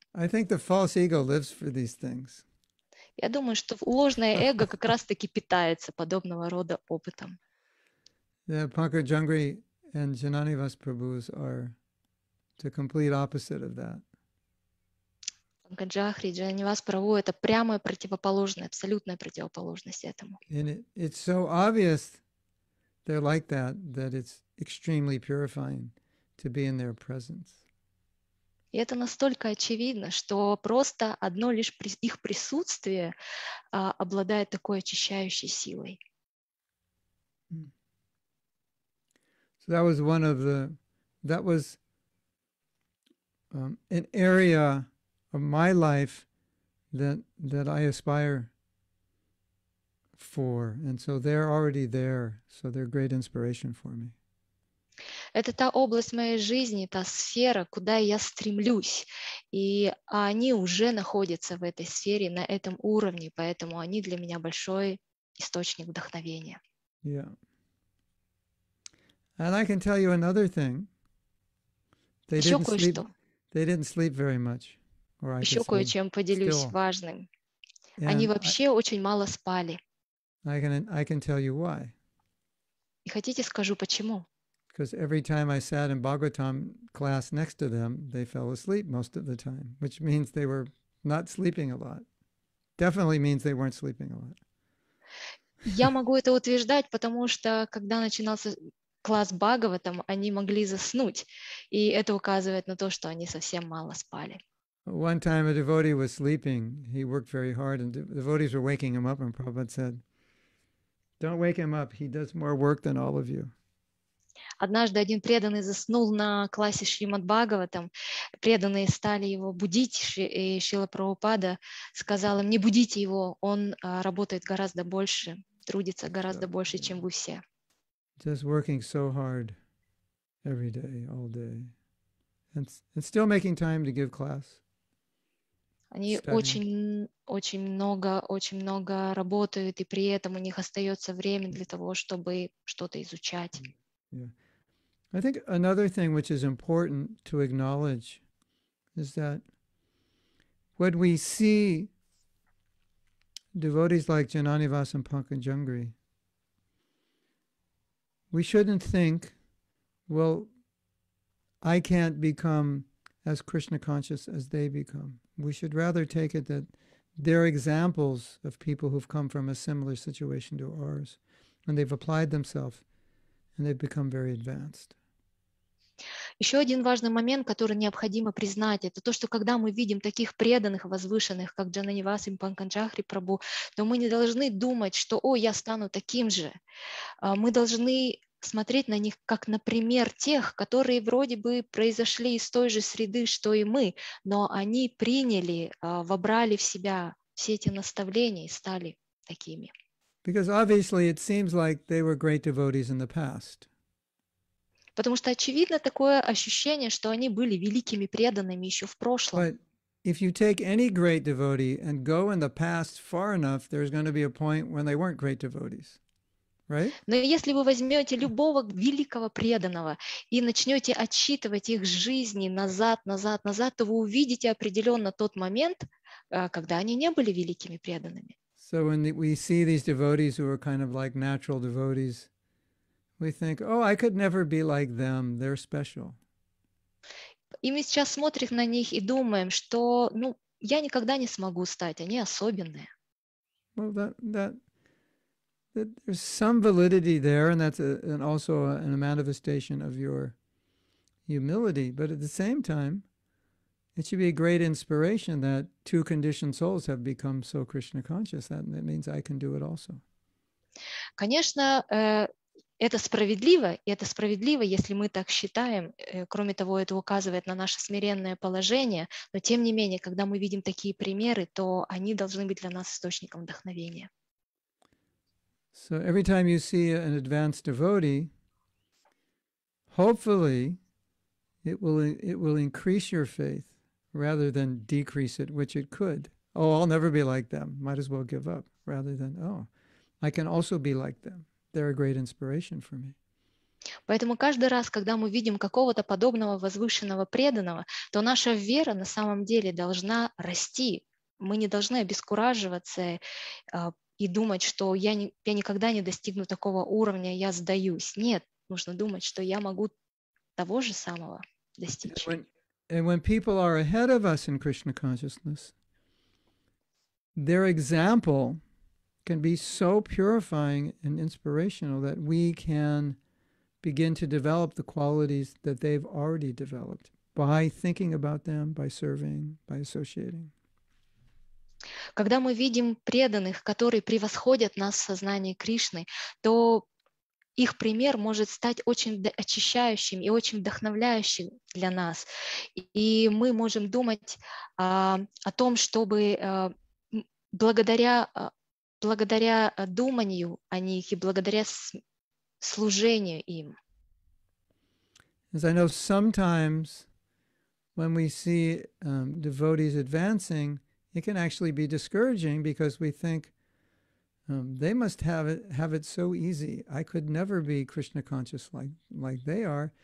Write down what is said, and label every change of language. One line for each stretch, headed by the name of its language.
English: I think the false ego lives for these things.
Russian: Я думаю, что ложное эго как раз-таки питается подобного рода опытом.
English: Yeah, Pankaj Jhingri and Janani Vas Prabhu are the complete opposite of that.
Russian: Pankaj Jhingri, Janani Vas Prabhu — это прямое противоположное, абсолютная противоположность этому.
English: And it's so obvious they're like that it's extremely purifying to be in their presence.
Russian: И это настолько очевидно, что просто одно лишь их присутствие обладает такой очищающей силой.
English: So that was one of the that was an area of my life that I aspire for. And so they're already there. So they're great inspiration for me.
Russian: Это та область моей жизни, та сфера, куда я стремлюсь. И они уже находятся в этой сфере, на этом уровне, поэтому они для меня большой источник вдохновения.
English: Yeah. And I can tell you another thing. They
Russian: Еще
English: didn't
Russian: кое-что.
English: Sleep, they didn't sleep very much, or I
Russian: Еще кое-чем поделюсь
English: still.
Russian: Важным.
English: And
Russian: они вообще очень мало спали.
English: I can tell you why.
Russian: И хотите, скажу почему?
English: Because every time I sat in Bhagavatam class next to them, they fell asleep most of the time, which means they were not sleeping a lot. Definitely means they weren't sleeping a lot.
Russian: Я могу это утверждать, потому что когда начинался класс Бхагаватам, они могли заснуть, и это указывает на то, что они совсем мало спали.
English: One time a devotee was sleeping. He worked very hard, and devotees were waking him up, and Prabhupada said, "Don't wake him up. He does more work than all of you."
Russian: Однажды один преданный заснул на классе Шримад Бхагаватам. Преданные стали его будить, и Шрила Прабхупада сказал им, не будите его, он работает гораздо больше, трудится гораздо больше, чем вы все.
English: Just working so hard every day, all day. And still making time to give class.
Russian: Они очень много работают, и при этом у них остается время для того, чтобы что-то изучать.
English: Yeah. I think another thing which is important to acknowledge is that when we see devotees like Jnanivas and Pankajungri, we shouldn't think, well, I can't become as Krishna conscious as they become. We should rather take it that they're examples of people who've come from a similar situation to ours, and they've applied themselves. And they've become very advanced.
Russian: Еще один важный момент, который необходимо признать, это то, что когда мы видим таких преданных, возвышенных, как Джананивас и Панканджахри Прабу, то мы не должны думать, что «О, я стану таким же». Мы должны смотреть на них как на пример тех, которые вроде бы произошли из той же среды, что и мы, но они приняли, вобрали в себя все эти наставления и стали такими.
English: Because obviously it seems like they were great devotees in the past.
Russian: Потому что очевидно такое ощущение, что они были великими преданными еще в прошлом.
English: But if you take any great devotee and go in the past far enough, there's going to be a point when they weren't great devotees. Right?
Russian: Но если вы возьмете любого великого преданного и начнете отсчитывать их жизни назад, назад, назад, то вы увидите определенно тот момент, когда они не были великими преданными.
English: So when we see these devotees who are kind of like natural devotees, we think, oh, I could never be like them, they're special.
Russian: И мы сейчас смотрим на них и думаем, что, ну, я никогда не смогу стать, они особенные.
English: Well, that there's some validity there, and that's also an manifestation of your humility. But at the same time, it should be a great inspiration that two conditioned souls have become so Krishna conscious. That means I can do it also.
Russian: Конечно, это справедливо, и это справедливо, если мы так считаем. Кроме того, это указывает на наше смиренное положение. Но тем не менее, когда мы видим такие примеры, то они должны быть для нас источником вдохновения.
English: So every time you see an advanced devotee, hopefully it will increase your faith. Rather than decrease it, which it could. Oh, I'll never be like them. Might as well give up. Rather than, oh, I can also be like them. They're a great inspiration for me.
Russian: Поэтому каждый раз, когда мы видим какого-то подобного возвышенного преданного, то наша вера на самом деле должна расти. Мы не должны обескураживаться и думать, что я никогда не достигну такого уровня, я сдаюсь. Нет, нужно думать, что я могу того же самого достичь.
English: And when people are ahead of us in Krishna consciousness, their example can be so purifying and inspirational that we can begin to develop the qualities that they've already developed by thinking about them, by serving, by associating.
Russian: Когда мы видим преданных, которые превосходят нас в сознании Кришны, то их пример может стать очень очищающим и очень вдохновляющим для нас. И мы можем думать о том, чтобы благодаря думанию о них и благодаря служению им.
English: As I know sometimes when we see devotees advancing, it can actually be discouraging because we think, they must have it so easy. I could never be Krishna conscious like they are.